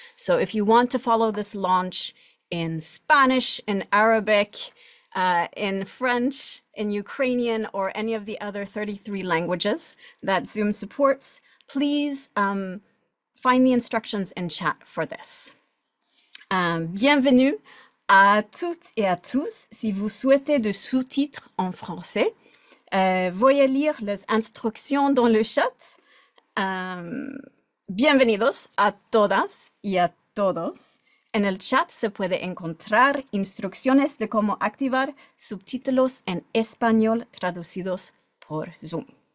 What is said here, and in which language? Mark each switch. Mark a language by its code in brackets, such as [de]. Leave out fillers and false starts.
[en] So if you want to follow this launch in Spanish, in Arabic, in French, in Ukrainian, or any of the other 33 languages that Zoom supports, please find the instructions in chat for this. [fr] Bienvenue à toutes et à tous. Si vous souhaitez de sous-titres en français, voyez lire les instructions dans le chat. [es] Bienvenidos a todas y a todos. En el chat se puede encontrar instrucciones de cómo activar subtítulos en español traducidos por Zoom.